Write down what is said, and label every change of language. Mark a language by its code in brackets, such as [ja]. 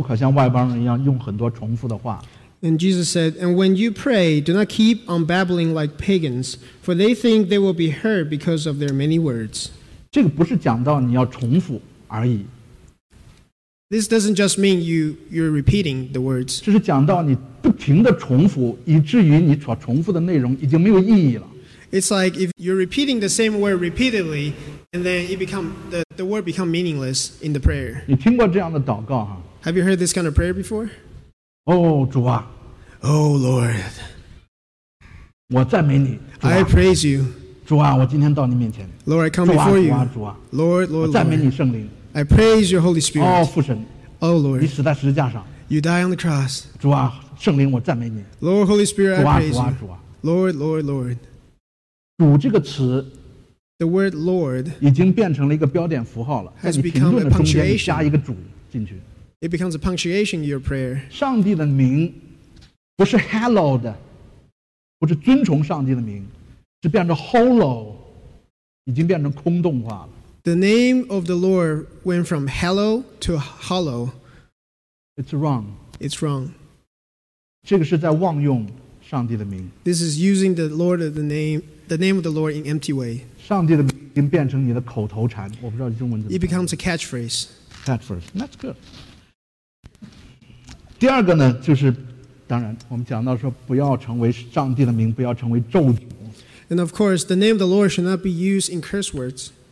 [zh] 所以你不可像外邦人一样，当你祷告的时候，不可像外邦人一样用很多重复的话。 [en] And Jesus said, And when you pray, do not keep on babbling like pagans, for they think they will be heard because of their many words. [zh] 这个不是讲到你要重复而已。 [en] This doesn't just mean you're repeating the words. [zh] 这是讲到你不停地重复，以至于你所重复的内容已经没有意义了。 [en] It's like if you're repeating the same word repeatedly, and then it become the word become meaningless in the prayer. [zh] 你听过这样的祷告啊？ [en] Have you heard this kind of prayer before? [zh] 哦，主啊！ [en] Oh Lord! [zh] 我赞美你， 主啊， [en] I praise you. [zh] 主啊，我今天到你面前。 [en] Lord, I come before you. [zh] 主啊，主啊！ [en] Lord, [zh] 我赞美你圣灵。 [en] I praise your Holy Spirit. Oh, [zh] 父神, [en] oh Lord. [zh] 你死在十字架上, [en] you die on the cross. [zh] 主啊, 圣灵, 我赞美你, [en] Lord, Holy Spirit, [zh] 主啊, [en] I praise [zh] 主啊, [en] you. [zh] 主啊, [en] Lord, Lord, Lord. [zh] 主这个词, [en] the word Lord [zh] 已经变成了一个标点符号了, [en] has become a punctuation. It becomes a punctuation in your prayer. [zh] 上帝的名不是 hallowed, 不是尊崇上帝的名, 是变成 hollow, 已经变成空洞化了。 [en] The name of the Lord went from hallow to hollow. It's wrong. It's wrong. [zh] 这个是在妄用上帝的名。 [en] This is using the Lord of the name of the Lord in empty way. [zh] 上帝的名已经变成你的口头禅。我不知道中文怎么。 [en] It becomes a catchphrase. Catchphrase. That's good. [zh] 第二个呢，就是当然我们讲到说不要成为上帝的名，不要成为咒诅。 [en] And of course, the name of the Lord should not be used in curse words.